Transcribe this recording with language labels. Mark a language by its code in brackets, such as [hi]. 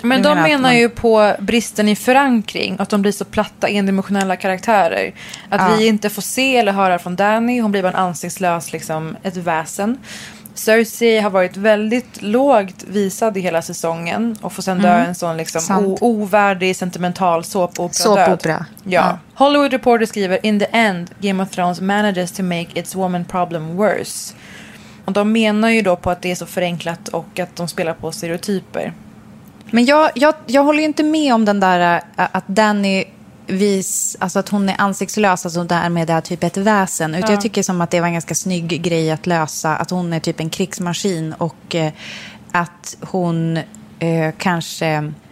[sv] Men de menar ju på bristen i förankring. Att de blir så platta, endimensionella karaktärer. Att vi inte får se eller höra från Dany. Hon blir bara en ansiktslös, liksom, ett väsen. Cersei har varit väldigt lågt visad i hela säsongen. Och får sen dö en sån liksom ovärdig, sentimental såpopera. Ja. [en] Hollywood Reporter [sv] skriver, [en] in the end, Game of Thrones manages to make its woman problem worse. [sv] Och de menar ju då på att det är så förenklat och att de spelar på stereotyper. Men jag håller ju inte med om den där att Dany alltså att hon är ansiktslös, alltså därmed är typ ett väsen. Utan jag tycker som att det var en ganska snygg grej att lösa, att hon är typ en krigsmaskin och att hon kanske...